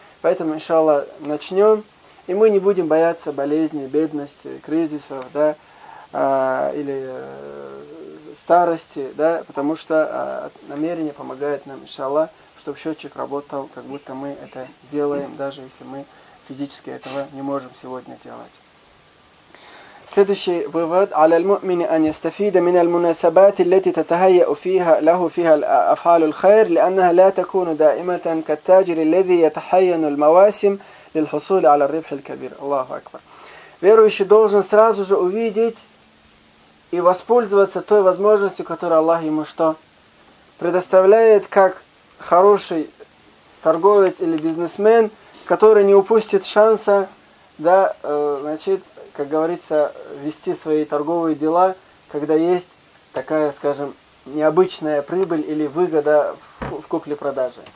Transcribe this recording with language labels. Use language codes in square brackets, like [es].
[ru] Поэтому, иншаллах, начнем, и мы не будем бояться болезней, бедности, кризисов, да, или старости, да, потому что намерение помогает нам, иншаллах, чтобы счетчик работал, как будто мы это делаем, даже если мы физически этого не можем сегодня делать. Следующий вывод: [ar] على المؤمن أن يستفيد من المناسبات التي تتهيأ فيها له فيها أفعال الخير لأنها لا تكون دائمة كالتاجر الذي يتحين المواسم للحصول على الربح الكبير. الله أكبر. [ru] Верующий должен сразу же увидеть и воспользоваться той возможностью, которую Аллах ему что предоставляет, как хороший торговец или бизнесмен, который не упустит шанса, да, значит, как говорится, вести свои торговые дела, когда есть такая, скажем, необычная прибыль или выгода в купле-продаже.